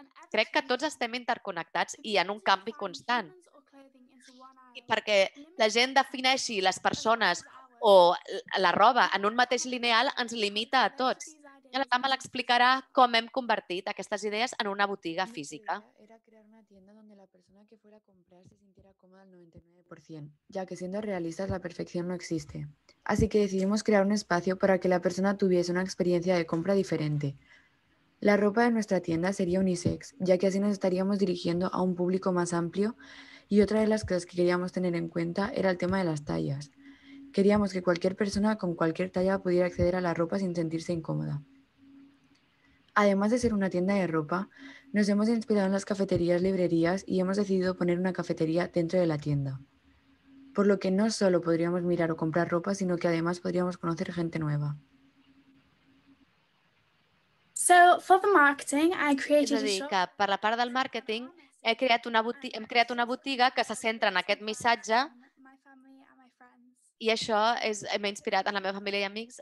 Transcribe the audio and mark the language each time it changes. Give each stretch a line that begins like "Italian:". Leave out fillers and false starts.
Catalan: crec que tots estem interconnectats i en un canvi constant. I perquè la gent defineixi les persones o la roba en un mateix lineal ens limita a tots. I la Tama l'explicarà com hem convertit aquestes idees en una botiga física.
Spanish: Era crear una tienda donde la persona que fuera a comprar se sintiera cómoda al 99%, ya que siendo realistas la perfección no existe. Así que decidimos crear un espacio para que la persona tuviese una experiencia de compra diferente. La ropa de nuestra tienda sería unisex, ya que así nos estaríamos dirigiendo a un público más amplio y otra de las cosas que queríamos tener en cuenta era el tema de las tallas. Queríamos que cualquier persona con cualquier talla pudiera acceder a la ropa sin sentirse incómoda. Además de ser una tienda de ropa, nos hemos inspirado en las cafeterías, librerías y hemos decidido poner una cafetería dentro de la tienda. Por lo que no solo podríamos mirar o comprar ropa, sino que además podríamos conocer gente nueva.
English: So, for the marketing, I created
Catalan: És a dir, que per la part del màrqueting hem creat una botiga que se centra en aquest missatge. I això m'ha inspirat en la meva família i amics.